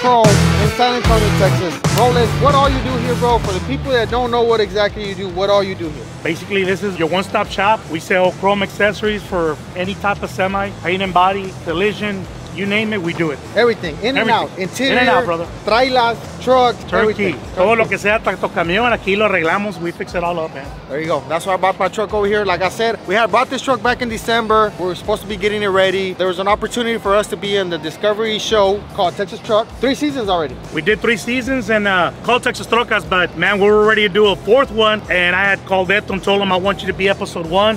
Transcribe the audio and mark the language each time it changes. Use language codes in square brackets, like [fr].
[en] chrome in San Antonio, Texas. Roland, what all you do here, bro? For the people that don't know what exactly you do, what all you do here? Basically, this is your one-stop shop. We sell chrome accessories for any type of semi, paint and body, collision, you name it, we do it. Everything, in everything. And out, interior, in and out, brother. Trailers, trucks, turkey. Everything. [es] Turkey, todo lo que sea, tanto camión, aquí lo arreglamos, [en] we fix it all up, man. There you go, that's why I bought my truck over here. Like I said, we had bought this truck back in December. We were supposed to be getting it ready. There was an opportunity for us to be in the Discovery show called Texas Truck. Three seasons already. We did three seasons and called Texas Truckers, but man, we were ready to do a fourth one. And I had called Eto and told him, I want you to be episode one.